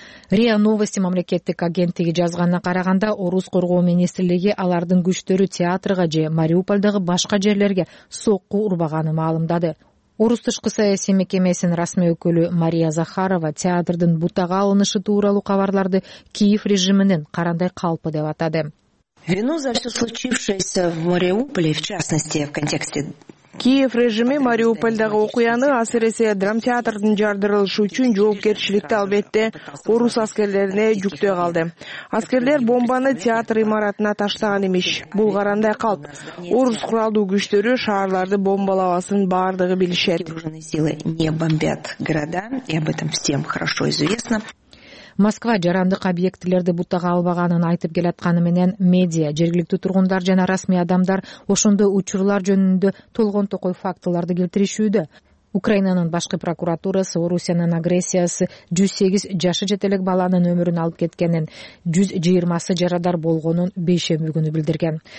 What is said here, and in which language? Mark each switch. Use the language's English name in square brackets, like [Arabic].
[Kyrgyz] РИА Новости мамлекеттик агенттиги жазганына караганда, Орус коргоо министрлиги алардын күчтөрү театрга же Мариупольдагы башка жерлерге сокку урбаганын маалымдады. Орус тышкы саясий мекемесинин расмий өкүлү Мария Захарова театрдын бутага алынышы тууралуу кабарларды Киев режиминин карандай калпы деп атады. [Russian] Вину за все случившееся в Мариуполе, в частности, в контексте [Kyrgyz] Киев режими Мариупольдагы окуяны асыресе драмтеатрдын жардырылышы үчүн жоопкерчиликти албетте орус аскерлерине жүктөй калды. Аскерлер бомбаны театр имаратына таштаган эмиш. Бул карандай калп. Орус куралдуу күчтөрү шаарларды бомбалабасын бардыгы билишет. [Russian] Не бомбят города, и об этом всем хорошо известно. [Kyrgyz] Москва жарандык объектилерди бутага албаганын айтып келатканы менен медиа, жергиликтүү тургундар жана расмий адамдар ошондой учурлар жөнүндө толгон-токой фактыларды келтиришүүдө. Украинанын башкы прокуратурасы Орусиянын агрессиясы 108 жашы жете элек баланын өмүрүн алып кеткенин, 120 жарадар болгонун бейшемби күнү билдирген.